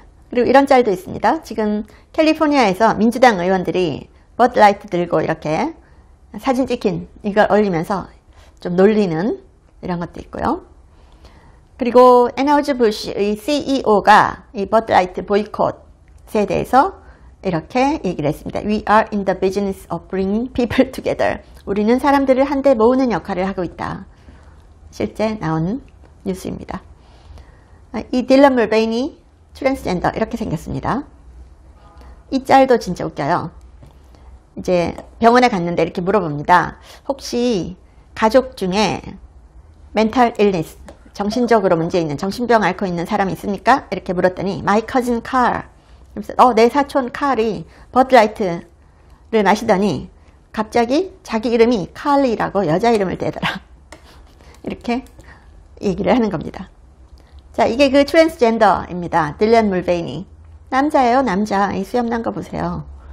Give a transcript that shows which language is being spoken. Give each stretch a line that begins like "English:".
Korean: 그리고 이런 짤도 있습니다. 지금 캘리포니아에서 민주당 의원들이 Bud Light 들고 이렇게 사진 찍힌 이걸 올리면서 좀 놀리는 이런 것도 있고요. 그리고 엔하우즈 부시의 CEO가 이 Bud Light 보이콧에 대해서 이렇게 얘기를 했습니다.
English: We are in the business of bringing people together.
Korean: 우리는 사람들을 한데 모으는 역할을 하고 있다. 실제 나온 뉴스입니다. 이 딜런 물베인이 트랜스젠더 이렇게 생겼습니다. 이 짤도 진짜 웃겨요. 이제 병원에 갔는데 이렇게 물어봅니다. 혹시 가족 중에 멘탈 일니스, 정신적으로 문제 있는 정신병 앓고 있는 사람이 있습니까? 이렇게 물었더니
English: My cousin Carl.
Korean: 내 사촌 칼이 버드라이트를 마시더니 갑자기 자기 이름이 칼리라고 여자 이름을 대더라. 이렇게 얘기를 하는 겁니다. 자, 이게 그 트랜스젠더입니다. 딜런 물베인이. 남자예요, 남자. 이 수염 난 거 보세요.